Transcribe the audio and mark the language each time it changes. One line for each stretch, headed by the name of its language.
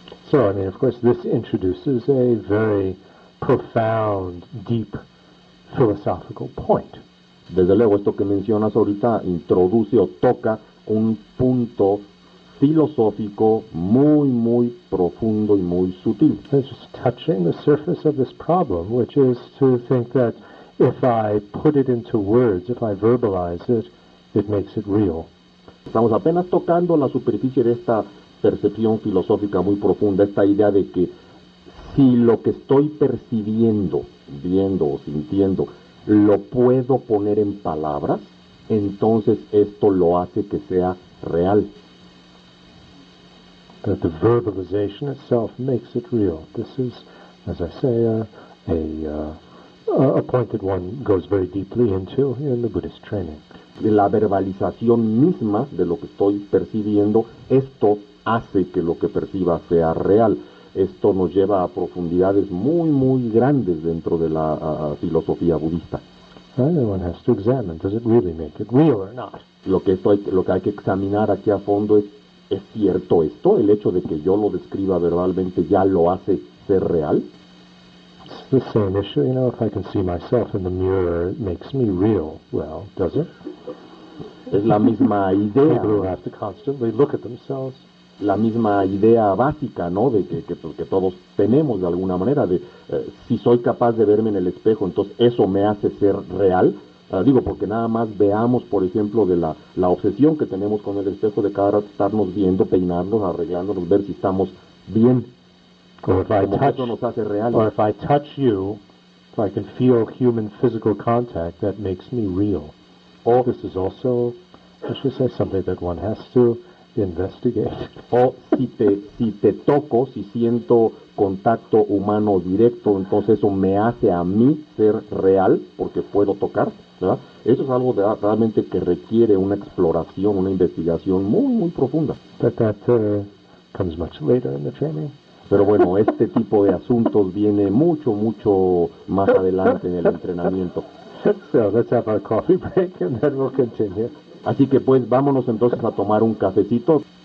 English: So, I mean, of course, this introduces a very profound, deep philosophical point.
Spanish: Desde luego, esto que mencionas ahorita introduce o toca un punto filosófico muy, muy profundo y muy sutil.
English: It's just touching the surface of this problem, which is to think that if I put it into words, if I verbalize it, it makes it real.
Spanish: Estamos apenas tocando la superficie de esta percepción filosófica muy profunda, esta idea de que si lo que estoy percibiendo, viendo o sintiendo, lo puedo poner en palabras, entonces esto lo hace que sea real.
English: That the verbalization itself makes it real. This is, as I say, a point that one goes very deeply into in the Buddhist training.
Spanish: La verbalización misma de lo que estoy percibiendo, esto hace que lo que perciba sea real. Esto nos lleva a profundidades muy, muy grandes dentro de la filosofía budista.
English: Everyone has to examine, does it really make it real or not?
Spanish: Lo que hay que examinar aquí a fondo es cierto esto, el hecho de que yo lo describa verbalmente ya lo hace ser real.
English: It's the same issue, you know, if I can see myself in the mirror, it makes me real. Well, does it?
Spanish: Es la misma idea.
English: People who have to constantly look at themselves.
Spanish: La misma idea básica, ¿no?, de que todos tenemos de alguna manera, de si soy capaz de verme en el espejo, entonces eso me hace ser real. Digo, porque nada más veamos, por ejemplo, de la obsesión que tenemos con el espejo, de cada rato estarnos viendo, peinarnos, arreglándonos, ver si estamos bien. Eso nos hace real.
English: Or if I touch you, if I can feel human physical contact, that makes me real. Or this is also, I should say, something that one has to investigate.
Spanish: O si te toco, si siento contacto humano directo, entonces eso me hace a mí ser real, porque puedo tocar, ¿verdad? Eso es algo realmente que requiere una exploración, una investigación muy, muy profunda.
English: That comes much later in the training.
Spanish: Pero bueno, este tipo de asuntos viene mucho, mucho más adelante en el entrenamiento.
English: So, let's have our coffee break and then we'll continue.
Spanish: Así que pues vámonos entonces a tomar un cafecito.